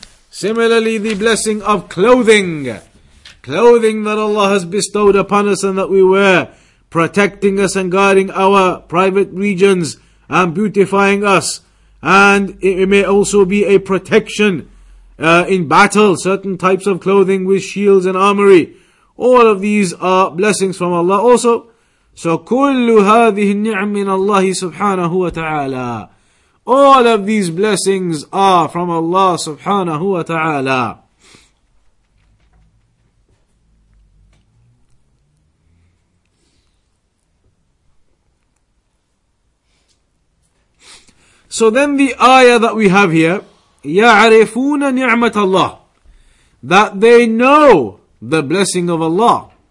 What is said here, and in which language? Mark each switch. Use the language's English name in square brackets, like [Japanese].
[English] Similarly, the blessing of clothing, clothing that Allah has bestowed upon us and that we wear, protecting us and guarding our private regions and beautifying us. And it may also be a protection in battle, certain types of clothing with shields and armory. All of these are blessings from Allah also. So, [Arabic] كل هذه النعم من الله سبحانه وتعالى. [English] All of these blessings are from Allah subhanahu wa ta'ala. So then the ayah that we have here, [Arabic] يَعْرِفُونَ نِعْمَةَ اللَّهِ, [English] that they know the blessing of Allah.